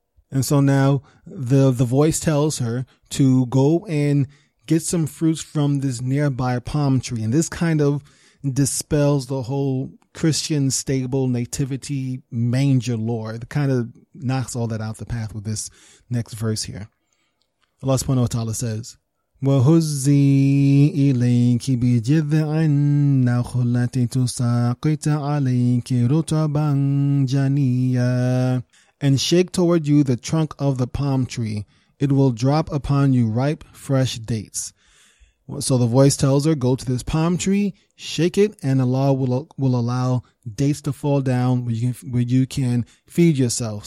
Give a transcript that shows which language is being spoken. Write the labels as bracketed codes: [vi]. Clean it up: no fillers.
[en] And so now the voice tells her to go and get some fruits from this nearby palm tree. And this kind of dispels the whole Christian stable nativity manger lore. It kind of knocks all that out the path with this next verse here. Allah subhanahu wa ta'ala says, [ar] وَهُزِّي إِلَيْكِ بِجِذْعِ النَّخْلَةِ تُسَاقِطَ عَلَيْكِ رُطَبًا جَنِيًّا. [en] And shake toward you the trunk of the palm tree. It will drop upon you ripe, fresh dates. So the voice tells her, go to this palm tree, shake it, and Allah will allow dates to fall down where you can feed yourself.